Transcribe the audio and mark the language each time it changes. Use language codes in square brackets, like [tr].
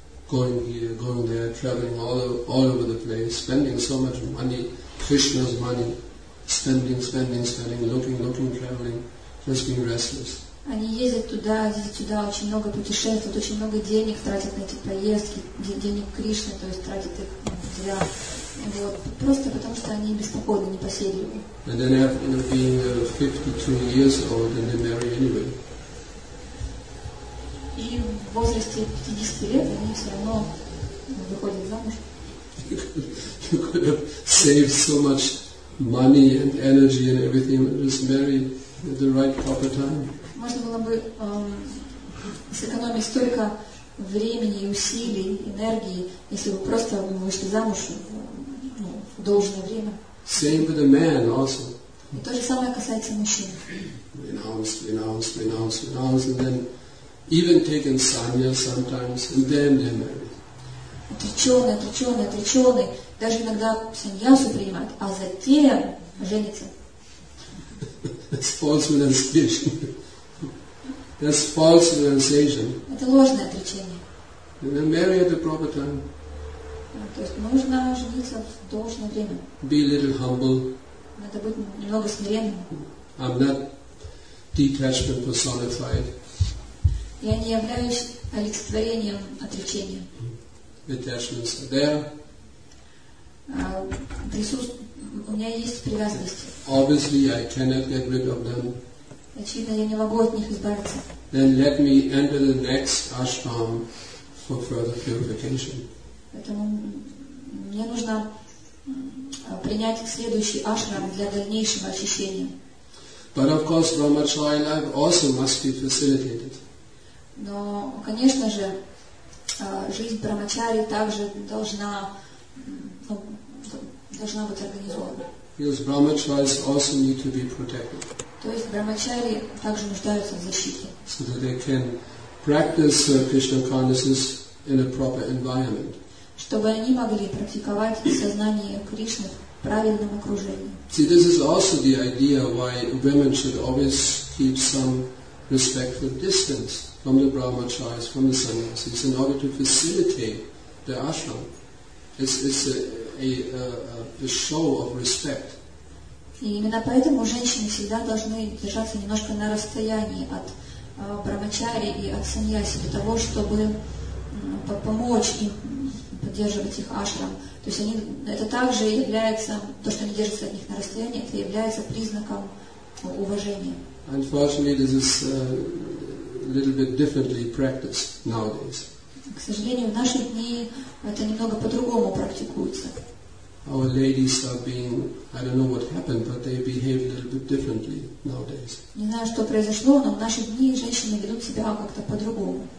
[en] Going here, going there, traveling all over the place, spending so much money, Krishna's money, spending, looking, traveling, just being restless. [ru] Они ездят туда, ездят сюда, очень много путешествуют, очень много денег тратят на эти поездки, денег Кришны, то есть тратят их зря. Вот. Просто потому, что они беспокойны, непоседливы. [en] And then after being 52 years old, and they marry anyway. [ru] И в возрасте 50 лет они все равно выходят замуж. [en] You could have saved so much money and energy and everything and just married at the right proper time. [ru] Можно было бы сэкономить столько времени, усилий, энергии, если бы просто вышли замуж в должное время. [en] Same with the man also. [ru] И то же самое касается мужчин. [en] Renounce, and then even taken sannyas sometimes, and then they're married. [ru] Отреченный, даже иногда саньясу принимают, а затем женится. [en] That's false renunciation. That's false renunciation. [ru] Это ложное отречение. [en] And then marry at the proper time. [ru] То есть нужно жениться в должное время. [en] Be a little humble. [ru] Надо быть немного смиренным. [en] I'm not detachment personified. [ru] Я не являюсь олицетворением отречения. [en] Attachments are there. [ru] У меня есть привязанности. [en] Obviously, I cannot get rid of them. [ru] Очевидно, я не могу от них избавиться. [en] Then let me enter the next ashram for further purification. [ru] Поэтому мне нужно принять следующий ашрам для дальнейшего очищения. [en] But of course, brahmacharya life also must be facilitated. [ru] Но, конечно же, жизнь брамачари также должна быть организована. [en] Because brahmacharis also need to be protected. [ru] То есть брамачари также нуждаются в защите. [en] So that they can practice Krishna consciousness in a proper environment. [ru] Чтобы они могли практиковать сознание Кришны в правильном окружении. [en] See, this is also the idea why women should always keep some respectful distance from the brahmacharis, from the sannyasis, in order to facilitate the ashram. It's a show of respect. [ru] И именно поэтому женщины всегда должны держаться немножко на расстоянии от брахмачари и от саньяси, для того, чтобы помочь им поддерживать их ашрам. То есть они, это также является, то, что они держатся от них на расстоянии, это является признаком уважения. [en] Unfortunately, this is a little bit differently practiced nowadays. [ru] К сожалению, в наши дни это немного по-другому практикуется. [en] Our ladies are being, I don't know what happened, but they behave a little bit differently nowadays. [ru] Не знаю, что произошло, но в наши дни женщины ведут себя как-то по-другому.